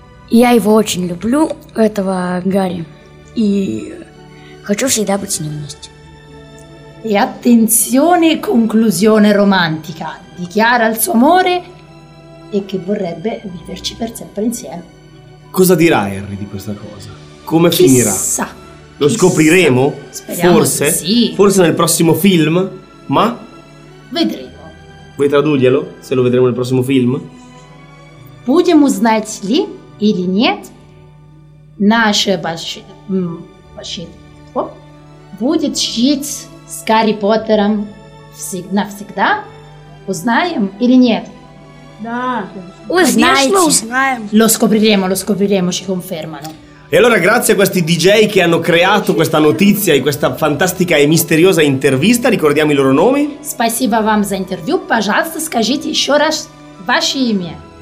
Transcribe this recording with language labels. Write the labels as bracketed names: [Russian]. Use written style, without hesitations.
[Russian] Я его очень люблю, этого Гарри, и хочу всегда быть с ним вместе. [Italian] E attenzione, conclusione romantica. Dichiara il suo amore e che vorrebbe viverci per sempre insieme. Cosa dirà Harry di questa cosa? Come finirà? Chissà. Lo scopriremo? Speriamo. Forse? Sì. Forse nel prossimo film? Ma? Vedremo. Vuoi tradurglielo? Se lo vedremo nel prossimo film? [Russian] Будемо знать ли или нет, наше большинство будет жить с Гарри Поттером навсегда? Узнаем или нет? Да. Узнаете. Узнаем. [Italian] Lo scopriremo, ci confermano. E allora grazie a questi DJ che hanno creato questa notizia e questa fantastica e misteriosa intervista, ricordiamo i loro nomi. [Russian] Спасибо вам за интервью, пожалуйста, скажите еще раз ваше имя.